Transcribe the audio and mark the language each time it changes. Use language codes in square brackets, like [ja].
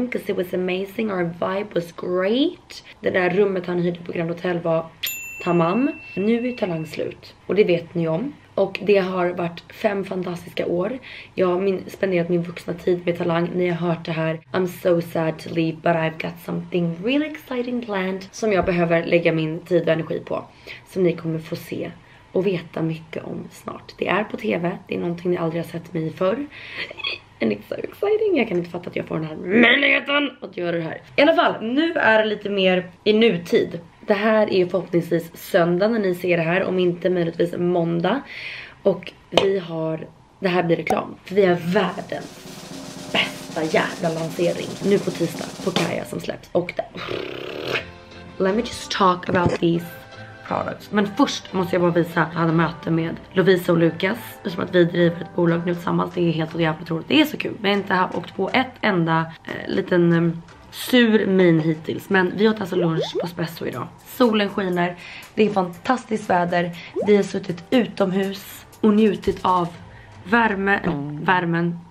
[en] Because it was amazing, our vibe was great. [sv] Det där rummet han hyrde på Grand Hotel var tamam. Nu är Talang slut. Och det vet ni om. Och det har varit 5 fantastiska år. Jag har spenderat min vuxna tid med Talang. Ni har hört det här. [en] I'm so sad to leave but I've got something really exciting planned. [sv] Som jag behöver lägga min tid och energi på. Som ni kommer få se och veta mycket om snart. Det är på tv. Det är någonting ni aldrig har sett mig förr. [en] And it's so exciting. [sv] Jag kan inte fatta att jag får den här möjligheten att göra det här. I alla fall, nu är det lite mer i nutid. Det här är ju förhoppningsvis söndag när ni ser det här, om inte möjligtvis måndag. Och vi har, det här blir reklam, för vi har världens bästa jävla lansering nu på tisdag på Kaja som släpps. Och det, [en] let me just talk about these products. [sv] Men först måste jag bara visa att jag hade möte med Lovisa och Lukas. Som att vi driver ett bolag nu tillsammans, det är helt och jävligt roligt. Det är så kul, vi har inte åkt på ett enda liten sur min hittills, men vi åt alltså lunch på Spesso idag. Solen skiner, det är fantastiskt väder. Vi har suttit utomhus och njutit av värme, värmen.